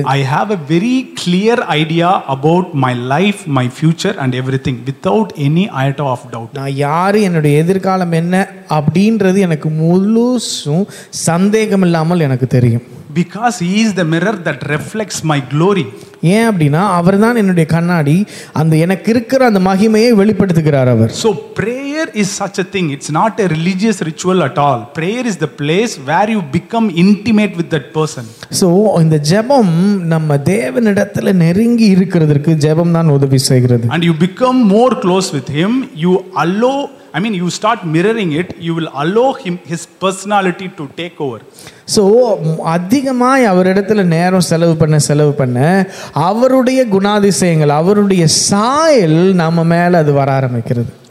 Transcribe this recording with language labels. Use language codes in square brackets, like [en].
[en] I have a very clear idea about my life, my future and everything without any iota of doubt. [ta] நான் யாரு, என்னுடைய எதிர்காலம் என்ன அப்படின்றது எனக்கு முழுசும் சந்தேகம் இல்லாமல் எனக்கு தெரியும். [en] Because he is the mirror that reflects my glory. [ta] ஏன் அப்படின்னா அவர் தான் என்னுடைய கண்ணாடி, அந்த எனக்கு இருக்கிற அந்த மகிமையை வெளிப்படுத்துகிறார் அவர். [en] So prayer is such a thing. It's not a religious ritual at all. Prayer is the place where you become intimate with that person. [ta] So இந்த ஜெபம் நம்ம தேவனிடத்துல நெருங்கி இருக்கிறதுக்கு ஜெபம் தான் உதவி செய்கிறது. [en] And you become more close with him. You allow, I mean, you start mirroring it, you will allow him, his personality to take over. [ta] So, அதிகமாய் அவரிடத்துல நேரம் செலவு பண்ண செலவு பண்ண அவருடைய குணாதிசயங்கள், அவருடைய சாயல் நம்ம மேல அது வர ஆரம்பிக்கிறது.